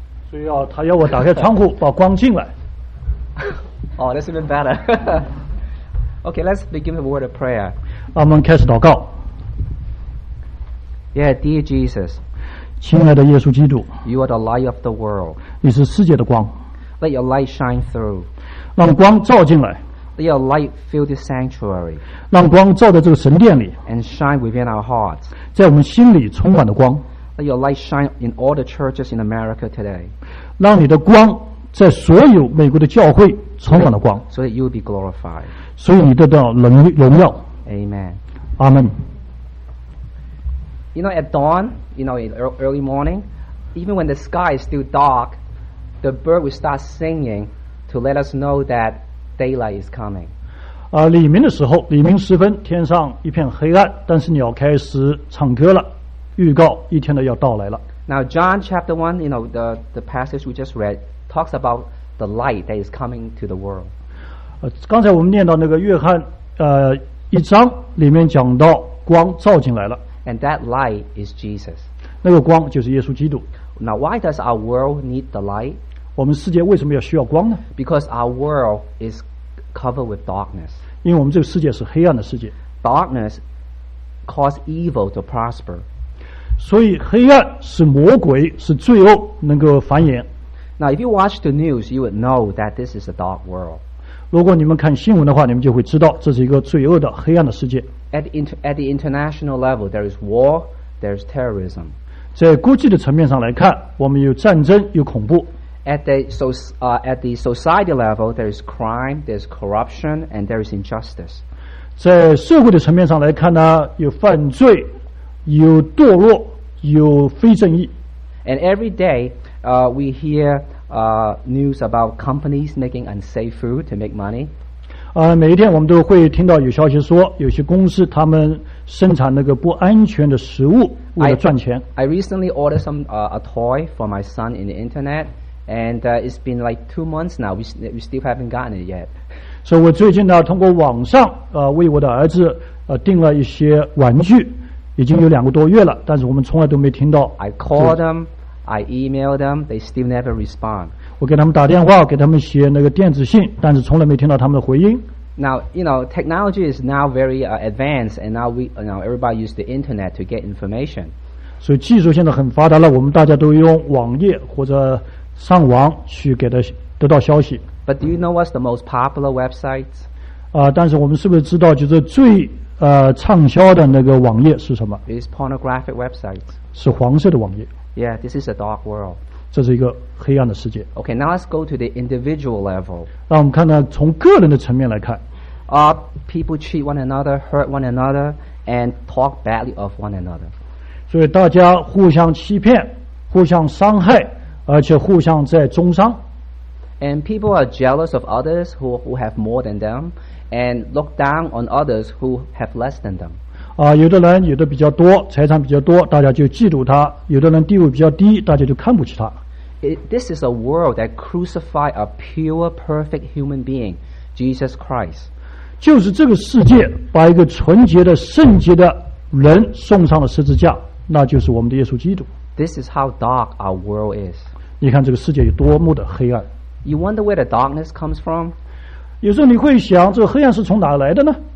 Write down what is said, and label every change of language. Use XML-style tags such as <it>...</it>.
<zh>So, 要他要我打开窗户，把光进来。</zh> <en>Oh, that's even better. Okay, let's begin with a word of prayer.</en> <zh>我们开始祷告。</zh> <en>Yeah, dear Jesus.</en> <zh>亲爱的耶稣基督。</zh> <en>You are the light of the world.</en> <zh>你是世界的光。</zh> <en>Let your light shine through.</en> <zh>让光照进来。</zh> <en>Let your light fill this sanctuary.</en> <zh>让光照在这个神殿里。</zh> <en>And shine within our hearts.</en> <zh>在我们心里充满了光。</zh> <en>Let your light shine in all the churches in America today.</en> <zh>让你的光在所有美国的教会充满了光。</zh> <en>So that you will be glorified.</en> <zh>所以你得到荣耀。</zh> <en>Amen. Amen. You know, at dawn, you know, in early morning, even when the sky is still dark, the bird will start singing to let us know that daylight is coming.</en> <zh>黎明的时候，黎明时分，天上一片黑暗，但是鸟开始唱歌了，预告一天的要到来了。</zh> <en>Now, John chapter 1, you know, the passage we just read, talks about the light that is coming to the world.</en> <zh>刚才我们念到那个约翰一章里面讲到光照进来了。</zh> <en>And that light is Jesus.</en> <zh>那个光就是耶稣基督。</zh> <en>Now, why does our world need the light?</en> <zh>我们世界为什么要需要光呢？</zh> <en>Because our world is covered with darkness.</en> <zh>因为我们这个世界是黑暗的世界。</zh> <en>Darkness causes evil to prosper.</en> <zh>所以黑暗是魔鬼，是罪恶能够繁衍。</zh> <en>Now, if you watch the news, you would know that this is a dark world.</en> <zh>如果你们看新闻的话，你们就会知道这是一个罪恶的黑暗的世界。</zh> <en>At the international level, there is war, there is terrorism.</en> <zh>在国际的层面上来看，我们有战争，有恐怖。</zh> <en>At the society level, there is crime, there is corruption, and there is injustice.</en> <zh>在社会的层面上来看呢，有犯罪，有堕落，有非正义。</zh> <en>And every day, we hear news about companies making unsafe food to make money.</en> <zh>每一天我们都会听到有消息说有些公司他们生产那个不安全的食物为了赚钱。</zh> <en>I recently ordered some a toy for my son in the internet and it's been like 2 months now we still haven't gotten it yet.</en> <zh>所以我最近呢通过网上为我的儿子订了一些玩具，已经有2个多月了，但是我们从来都没听到。</zh> <en>I called them, I emailed them, they still never respond.</en> <zh>我给他们打电话，给他们写那个电子信，但是从来没听到他们的回音。</zh> <en>Now, you know, technology is now very advanced, and now everybody uses the internet to get information.</en> <zh>所以技术现在很发达了，我们大家都用网页或者上网去给他得到消息。</zh> <en>But do you know what's the most popular website?</en> <zh>但是我们是不是知道就是最畅销的那个网页是什么</zh> <en>？It's pornographic websites.</en> <zh>是黄色的网页。</zh> <en>Yeah, this is a dark world.</en> <zh>这是一个黑暗的世界。</zh> <en>Okay, now let's go to the individual level.</en> <zh>让我们看到从个人的层面来看。</zh> <en>People cheat one another, hurt one another, and talk badly of one another.</en> <zh>所以大家互相欺骗，互相伤害，而且互相在中伤。</zh> <en>And people are jealous of others who have more than them, and look down on others who have less than them.</en> <zh>有的人有的比较多，财产比较多，大家就嫉妒他；有的人地位比较低，大家就看不起他。</zh> <en>This is a world that crucified a pure, perfect human being, Jesus Christ.</en> <zh>就是这个世界把一个纯洁的、圣洁的人送上了十字架，那就是我们的耶稣基督。</zh> <en>This is how dark our world is.</en> <zh>你看这个世界有多么的黑暗。</zh> <en>You wonder where the darkness comes from?</en> <zh>有时候你会想，这个黑暗是从哪来的呢？</zh>